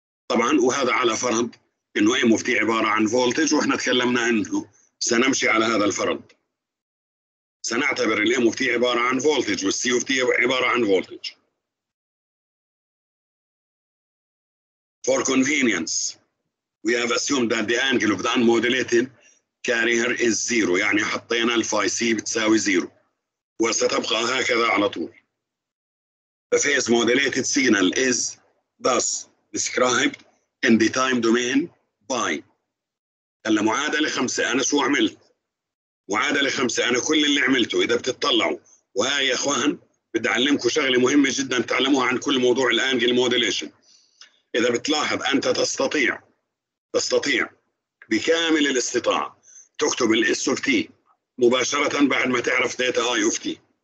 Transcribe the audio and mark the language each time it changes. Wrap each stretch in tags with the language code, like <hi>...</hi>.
<ar>طبعاً، وهذا على فرض إنه إم وفتي عبارة عن فولتج، وإحنا تكلمنا إنه سنمشي على هذا الفرض، سنعتبر الإم وفتي عبارة عن فولتج والسي وفتي عبارة عن فولتج</ar> <en>for convenience we have assumed that the angle of the unmodulated carrier is zero،</en> <ar>يعني حطينا الفاي سي بتساوي زيرو وستبقى هكذا على طول.</ar> <en>The phase modulated signal is thus described in the time domain by.</en> <ar>هلا معادلة خمسة، أنا شو عملت؟ معادلة خمسة، أنا كل اللي عملته إذا بتطلعوا، وهي يا أخوان بدي أعلمكم شغلة مهمة جدا تعلموها عن كل موضوع الأنجل موديليشن. إذا بتلاحظ أنت تستطيع بكامل الاستطاعة تكتب الـ S of T مباشرة بعد ما تعرف ثيتا I of T.</ar>